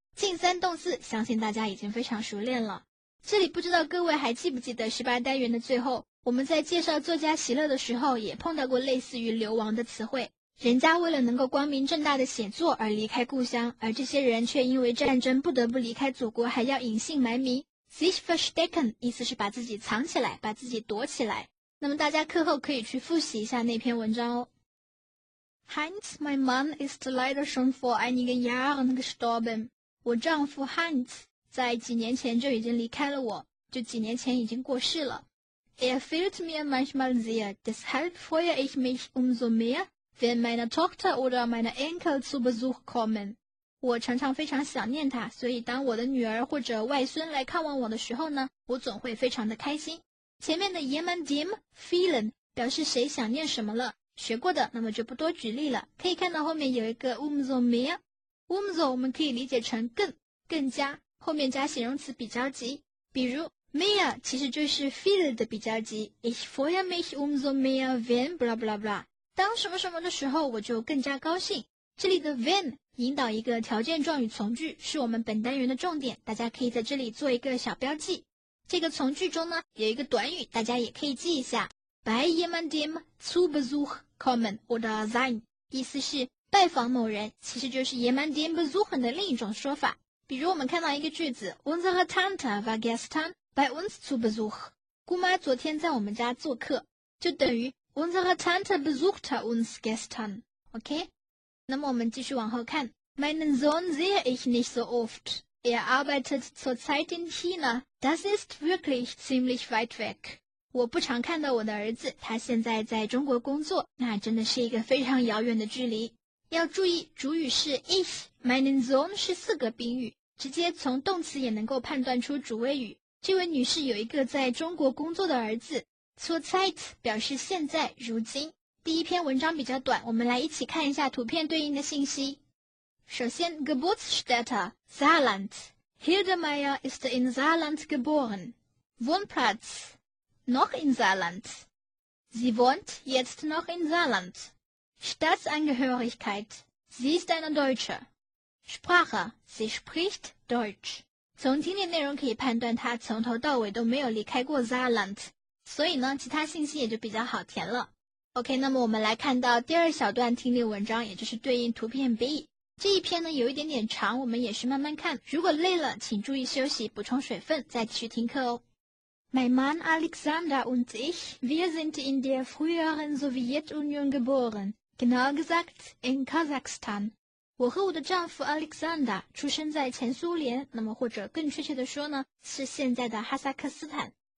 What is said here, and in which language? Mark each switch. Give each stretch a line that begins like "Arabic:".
Chinese: 近三动词相信大家已经非常熟练了。这里不知道各位还记不记得18单元的最后，我们在介绍作家席勒的时候也碰到过类似于流亡的词汇。人家为了能够光明正大的写作而离开故乡，而这些人却因为战争不得不离开祖国，还要隐姓埋名。
German: Sich verstecken
Chinese: 意思是把自己藏起来，把自己躲起来。那么大家课后可以去复习一下那篇文章哦。
German: Hans,
English: my man,
German: ist leider schon vor einigen Jahren gestorben.
Chinese: 我丈夫 Hans 在几年前就已经离开了我，就几年前已经过世了。
German: Er fehlt mir manchmal sehr, deshalb freue ich mich umso mehr, wenn meine Tochter oder meine Enkel zu Besuch kommen.
Chinese: 我常常非常想念他，所以当我的女儿或者外孙来看望我的时候呢，我总会非常的开心。前面的 jemandem feeling 表示谁想念什么了，学过的那么就不多举例了。可以看到后面有一个
German: umso mehr，
Chinese: umso 我们可以理解成更加，后面加形容词比较级，比如 mehr 其实就是 feel 的比较级。
German: Ich freue mich umso mehr wenn blah blah
Chinese: blah， 当什么什么的时候我就更加高兴。这里的 when 引导一个条件状语从句，是我们本单元的重点，大家可以在这里做一个小标记。这个从句中呢有一个短语，大家也可以记一下，
German: bei jemandem zu Besuch kommen oder sein，
Chinese: 意思是拜访某人，其实就是
German: jemandem besuchen
Chinese: 的另一种说法。比如我们看到一个句子，
German: unsere Tante war gestern bei uns zu Besuch，
Chinese: 姑妈昨天在我们家做客，就等于
German: unsere Tante besuchte uns gestern。
Chinese: OK，那么我们继续往后看。
German: Meinen Sohn sehe ich nicht so oft. Er arbeitet zurzeit in China. Das ist wirklich ziemlich weit weg.
Chinese: 我不常看到我的儿子，他现在在中国工作，那真的是一个非常遥远的距离。要注意，主语是 ich， meinen Sohn 是四格宾语，直接从动词也能够判断出主谓语。这位女士有一个在中国工作的儿子。Zurzeit 表示现在、如今。第一篇文章比较短，我们来一起看一下图片对应的信息。首先
German: Geburtsstätte Saarland， Hildemeyer ist in Saarland geboren， Wohnplatz noch in Saarland， sie wohnt jetzt noch in Saarland， Staatsangehörigkeit sie ist eine Deutsche， Sprache sie spricht Deutsch。
Chinese: 从今天内容可以判断她从头到尾都没有离开过 Saarland， 所以呢其他信息也就比较好填了。 OK， 那么我们来看到第二小段听力文章，也就是对应图片 B。这一篇呢有一点点长，我们也是慢慢看，如果累了请注意休息，补充水分再继续听课哦。
German: Mein Mann Alexander und ich, wir sind in der früheren Sowjetunion geboren, genau gesagt in Kasachstan.
Chinese: 我和我的丈夫 Alexander 出生在前苏联，那么或者更确切的说呢，是现在的哈萨克斯坦。